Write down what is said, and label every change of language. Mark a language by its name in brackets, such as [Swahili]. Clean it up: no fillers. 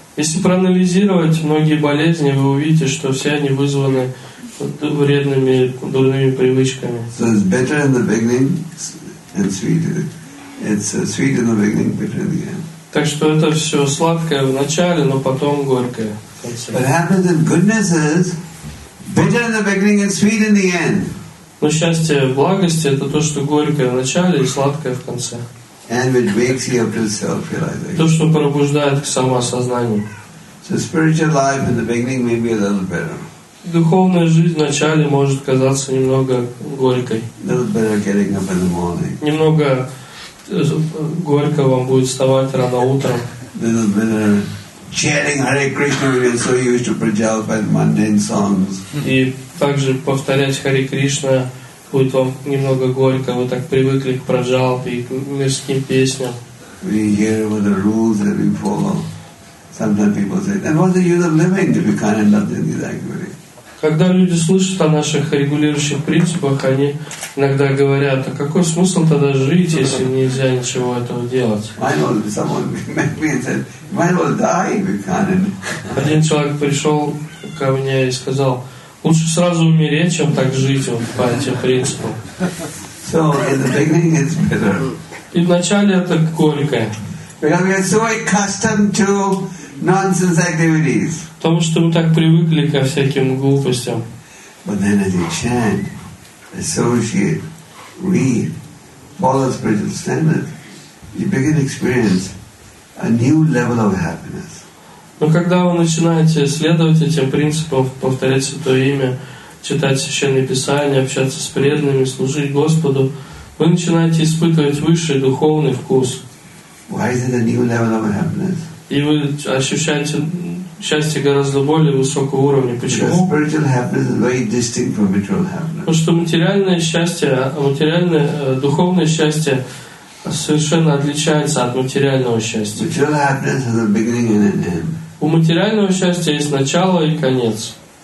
[Russian] Если проанализировать многие болезни, вы увидите, что все они вызваны вредными, дурными привычками. [English] So it's better in the beginning and sweeter. It's sweet in the beginning, bitter in the end. [Russian] Так что это все сладкое в начале, но потом горькое. [English] What happens in goodness is bitter in the beginning and sweet in the end. [Russian] Но счастье в благости — это то, что горькое в начале и сладкое в конце. [English] And which wakes you up to self-realization. [Russian] То, что пробуждает к самоосознанию. [English] So spiritual life in the beginning may be a little bitter. [Russian] Духовная жизнь в начале может казаться немного горькой. [English] A little bitter getting up in the morning. [Russian] Немного горько вам будет вставать рано утром. [English] A little bitter chanting Hare Krishna when you're so used to prajalapad mundane songs. [Russian] И также повторять Hare Krishna будет вам немного горько, вы так привыкли к праджалпе и к мирским песням. [English] We hear about the rules that we follow. Sometimes people say, and what's the use of living if you can't end up in this activity? [Russian] Когда люди слышат о наших регулирующих принципах, они иногда говорят, а какой смысл тогда жить, если нельзя ничего этого делать? [English] I know someone met me and said, might as well die if you can't end up. [Russian] Один человек пришел ко мне и сказал, лучше сразу умереть, чем так жить, вот, по этим принципам. [English] So, in the beginning it's bitter. [Russian] И вначале это горькое. [English] Because we're so accustomed to nonsense activities. [Russian] Потому что мы так привыкли ко всяким глупостям. [English] But then as you chant, associate, read, follow spiritual standard, you begin to experience a new level of happiness. [Russian] Но когда вы начинаете следовать этим принципам, повторять Святое Имя, читать Священные Писания, общаться с преданными, служить Господу, вы начинаете испытывать высший духовный вкус. [English] Why is it a new level of happiness? [Russian] И вы ощущаете счастье гораздо более высокого уровня. Почему? [English] Because spiritual happiness is very distinct from material happiness. [Russian] Потому что материальное счастье, материальное, духовное счастье совершенно отличается от материального счастья. [English] Material happiness has a beginning and an end. [Russian] У материального счастья есть начало и конец.